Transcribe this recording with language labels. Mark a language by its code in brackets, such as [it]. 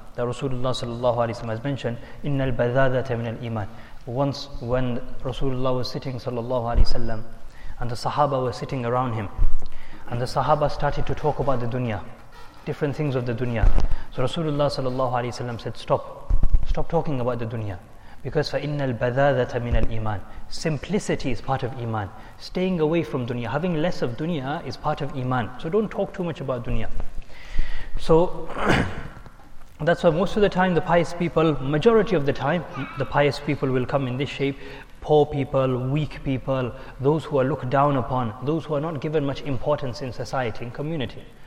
[en] The Rasulullah sallallahu alayhi wa sallam has mentioned, [ar] innal badhadata min al-iman. [en] Once when Rasulullah was sitting sallallahu alayhi wa sallam, and the Sahaba were sitting around him, and the Sahaba started to talk about the dunya, different things of the dunya. So Rasulullah sallallahu alayhi wa sallam said, stop. Stop talking about the dunya. Because [ar] فَإِنَّ الْبَذَاذَةَ مِنَ الْإِيمَانِ. [en] Simplicity is part of iman. Staying away from dunya, having less of dunya is part of iman. So don't talk too much about dunya. So that's why most of the time the pious people, majority of the time, the pious people will come in this shape. Poor people, weak people, those who are looked down upon, those who are not given much importance in society, in community.